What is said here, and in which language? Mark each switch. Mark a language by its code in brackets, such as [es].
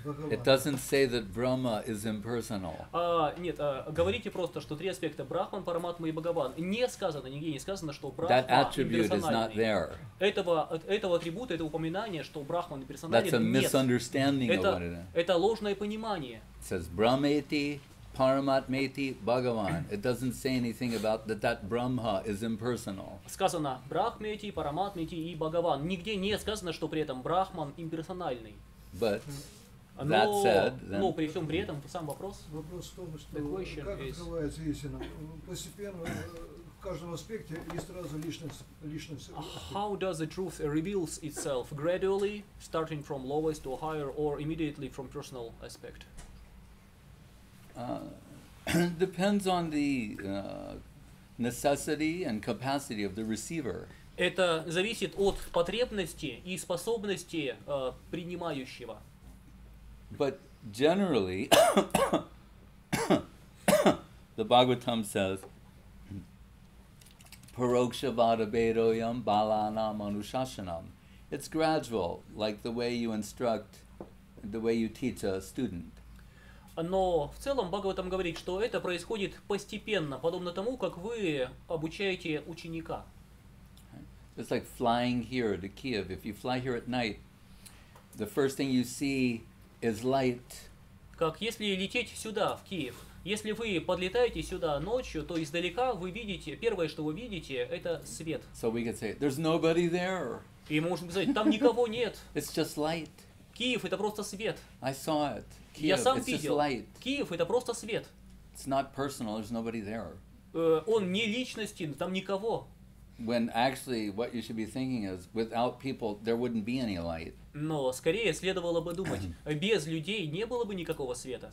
[en] It doesn't say that Brahma is impersonal. [ru] Говорите просто, что три аспекта Брахман, Параматма и Бхагаван. Не сказано, нигде не сказано, что Брахма [en] That attribute is not there. [ru] Этого атрибута, этого упоминания, что Брахман персональный, нет. [en] That's a misunderstanding of what it is. [ru] Это ложное понимание. [en] It says Brahmeti, Параматмети, Бхагаван. It doesn't say anything about that Brahma is impersonal. [ru] Сказано Брахмети, Параматмети и Бхагаван. Нигде не сказано, что при этом Брахман имперсональный. [en] But That said, then. [ru] Но при всем при этом сам вопрос. Вопрос в том, что как открывается истина. Постепенно в каждом аспекте есть сразу личность. [en] How does the truth reveals itself gradually, starting from lowest to higher, or immediately from personal aspect? Depends on the necessity and capacity of the receiver. [ru] Это зависит от потребности и способности принимающего. [en] But generally, the Bhagavatam says, [sa] "Paroksha vada bedoyam balanam anushasanam." [en] It's gradual, like the way you instruct, the way you teach a student. [ru] Но в целом Бхагаватам говорит, что это происходит постепенно, подобно тому, как вы обучаете ученика. [en] It's like flying here to Kiev. If you fly here at night, the first thing you see. Is light. [ru] Как если лететь сюда, в Киев. Если вы подлетаете сюда ночью, то издалека вы видите, первое, что вы видите, это свет. [en] So we could say, there's nobody there. [ru] И мы можем сказать, там никого нет. [en] It's just light. [ru] Киев — это просто свет. [en] I saw it. Киев, [ru] Я сам [en] it's [ru] видел. [en] Just light. [ru] Киев — это просто свет. [en] It's not personal, there's nobody there. [ru] Он не личностен, там никого. [en] When actually what you should be thinking is, without people, there wouldn't be any light. [ru] Но скорее следовало бы думать, без людей не было бы никакого света.